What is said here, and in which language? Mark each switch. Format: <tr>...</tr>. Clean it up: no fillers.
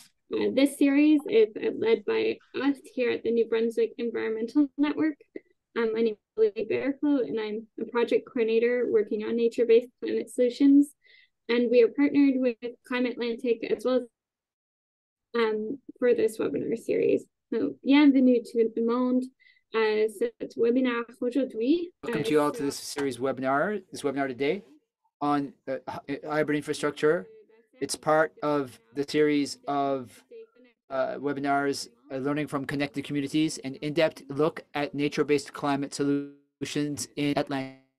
<en>This series is led by us here at the New Brunswick Environmental Network. My name is Lily Bearflow, and I'm a project coordinator working on nature-based climate solutions. And we are partnered with Climate Atlantic as well as for this webinar series.</en> <fr>So, bienvenue tout le monde à cet webinar aujourd'hui.</fr> <en>Welcome to you all to this series webinar, this webinar today on hybrid infrastructure. It's part of the series of webinars, Learning from Connected Communities, an in-depth look at nature-based climate solutions in Atlanta.</en>